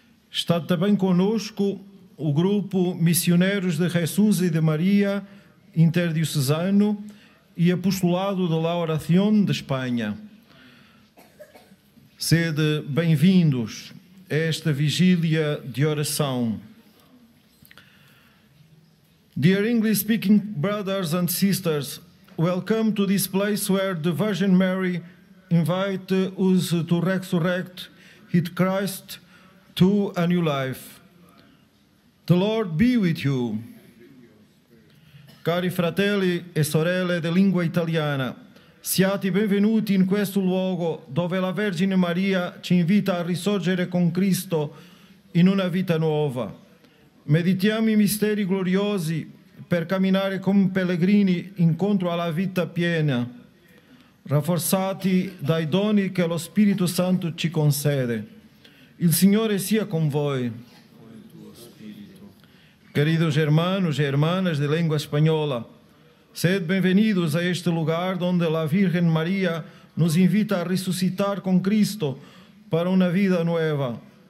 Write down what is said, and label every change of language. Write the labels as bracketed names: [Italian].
[Portuguese] Está também conosco o grupo Missioneiros de Jesus e de Maria, interdiocesano, e Apostolado de La Oración de Espanha. Sede bem-vindos a esta vigília de oração. [English] Dear English-speaking brothers and sisters, welcome to this place where the Virgin Mary invites us to resurrect with Christ to a new life. The Lord be with you. [Italian] Cari fratelli e sorelle de lingua italiana, siate benvenuti in questo luogo dove la Vergine Maria ci invita a risorgere con Cristo in una vita nuova. Meditiamo i misteri gloriosi per camminare come pellegrini incontro alla vita piena, rafforzati dai doni che lo Spirito Santo ci concede. Il Signore sia con voi. [Portuguese] Queridos [Spanish] hermanos e hermanas de lengua [Portuguese] espanhola, sede bem-vindos a este lugar onde a Virgem Maria nos invita a ressuscitar com Cristo para uma vida nova.